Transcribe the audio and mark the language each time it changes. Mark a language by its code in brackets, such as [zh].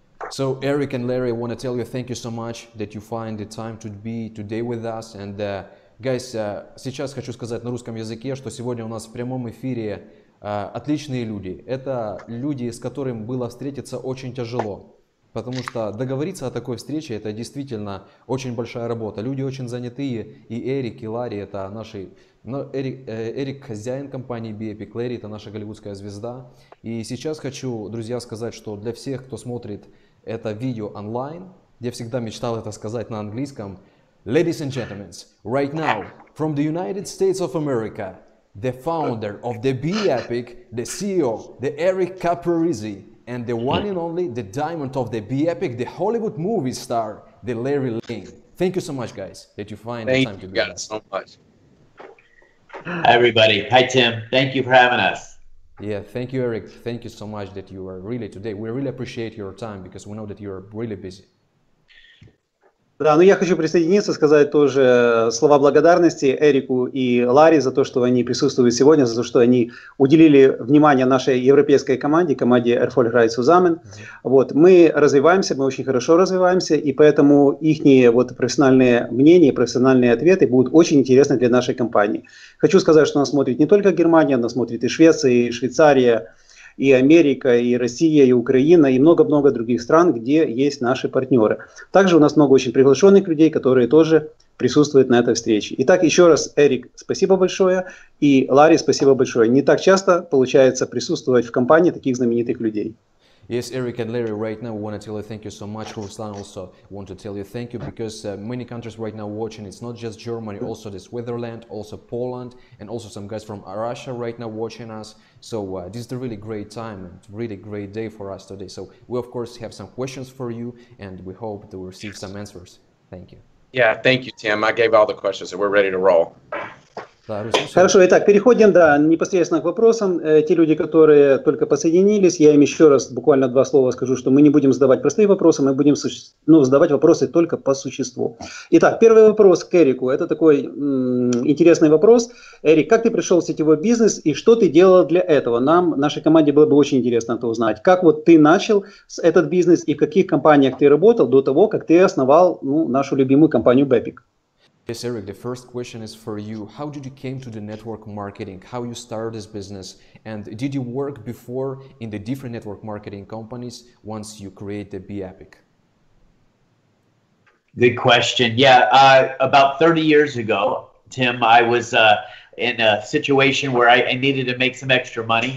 [en] So Eric and Larry, I want to tell you thank you so much that you find the time to be today with us. And guys, [ru] сейчас хочу сказать на русском языке, что сегодня у нас в прямом эфире отличные люди. Это люди, с которыми было встретиться очень тяжело. Потому что договориться о такой встрече – это действительно очень большая работа. Люди очень занятые, и Эрик, и Ларри – это наши… Ну, Эрик – хозяин компании BEPIC, Ларри – это наша голливудская звезда. И сейчас хочу, друзья, сказать, что для всех, кто смотрит это видео онлайн, я всегда мечтал это сказать на английском. [en] Ladies and gentlemen, right now, from the United States of America, the founder of the BEPIC, the CEO, the Eric Caprarizzi, and the one and only, the diamond of the BEPIC, the Hollywood movie star, the Larry Ling. Thank you so much, guys, that you find Thank the time to be here. Thank you guys so much. Hi, everybody. Hi, Tim. Thank you for having us. Yeah, thank you, Eric. Thank you so much that you are really today. We really appreciate your time because we know that you are really busy. [ru] Да, ну я хочу присоединиться, сказать тоже слова благодарности Эрику и Ларри за то, что они присутствуют сегодня, за то, что они уделили внимание нашей европейской команде, команде Erfolgreich Zusammen. Вот, мы развиваемся, мы очень хорошо развиваемся, и поэтому их вот профессиональные мнения, профессиональные ответы будут очень интересны для нашей компании. Хочу сказать, что нас смотрит не только Германия, нас смотрит и Швеция, и Швейцария, и Америка, и Россия, и Украина, и много-много других стран, где есть наши партнеры. Также у нас много очень приглашенных людей, которые тоже присутствуют на этой встрече. Итак, еще раз, Эрик, спасибо большое, и Ларри, спасибо большое. Не так часто получается присутствовать в компании таких знаменитых людей. [en] Yes, Eric and Larry, right now we want to tell you thank you so much. Ruslan also want to tell you thank you because many countries right now watching. It's not just Germany, also the Switzerland, also Poland, and also some guys from Russia right now watching us. So this is a really great time and really great day for us today. So we, of course, have some questions for you, and we hope to receive some answers. Thank you. Yeah, thank you, Tim. I gave all the questions, and we're ready to roll. [ru] Хорошо, итак, переходим, да, непосредственно к вопросам. Те люди, которые только подсоединились, я им еще раз буквально два слова скажу, что мы не будем задавать простые вопросы, мы будем задавать вопросы только по существу. Итак, первый вопрос к Эрику. Это такой интересный вопрос. Эрик, как ты пришел в сетевой бизнес и что ты делал для этого? Нам, нашей команде было бы очень интересно это узнать. Как вот ты начал этот бизнес и в каких компаниях ты работал до того, как ты основал нашу любимую компанию BEPIC? [en] Yes, Eric, the first question is for you. How did you came to the network marketing? How you started this business? And did you work before in the different network marketing companies once you create the BEPIC? Good question. Yeah, about 30 years ago, Tim, I was in a situation where I needed to make some extra money.